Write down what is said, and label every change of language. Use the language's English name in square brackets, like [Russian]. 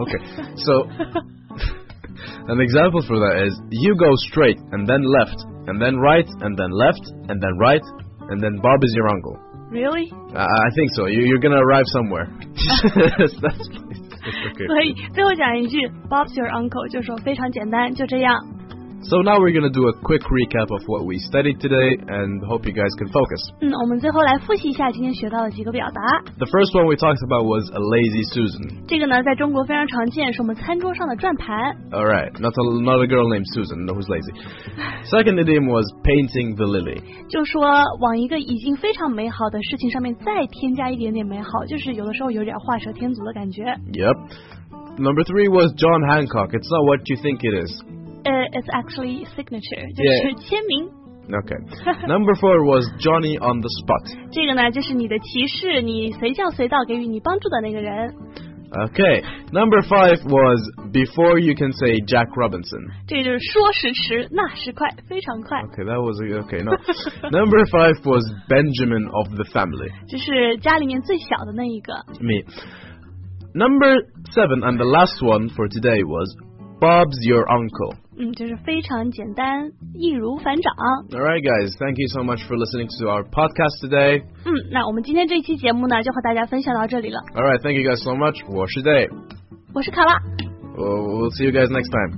[English] Okay, so an example for that is you go straight and then left and then right and then left and then right and then Bob is your uncle. Really? I think so. You're gonna arrive somewhere. That's okay. [Chinese] 所以最后讲一句 Bob's your uncle 就说非常简单，就这样。 [English] So now we're going to do a quick recap of what we studied today and hope you guys can focus. [Chinese] 我们最后来复习一下今天学到的几个表达。 [English] The first one we talked about was a lazy Susan. [Chinese] 这个呢在中国非常常见，是我们餐桌上的转盘。 [English] All right, not a girl named Susan, no, who's lazy. Second idiom was painting the lily. [Chinese] 就说往一个已经非常美好的事情上面再添加一点点美好，就是有的时候有点画蛇添足的感觉。 [English] Yep. Number three was John Hancock. It's not what you think it is. It's actually signature, [Chinese] 就是签名。 [English] Okay. Number four was Johnny on the spot. [Chinese] 这个呢就是你的提示，你随叫随到给予你帮助的那个人。 [English] Okay. Number five was before you can say Jack Robinson. [Chinese] 这就是说时迟，那时快，非常快。 [English] Okay, that was okay. No. Number five was Benjamin of the family. [Chinese] 就是家里面最小的那一个。 [English] Me. Number seven and the last one for today was Bob's your uncle. [Chinese] 就是非常简单，易如反掌。 [English] Alright guys, thank you so much for listening to our podcast today. [Chinese] 那我们今天这期节目呢就和大家分享到这里了。 [English] Alright, thank you guys so much. [Chinese] 我是 Dave. 我是卡拉。 [English] We'll see you guys next time.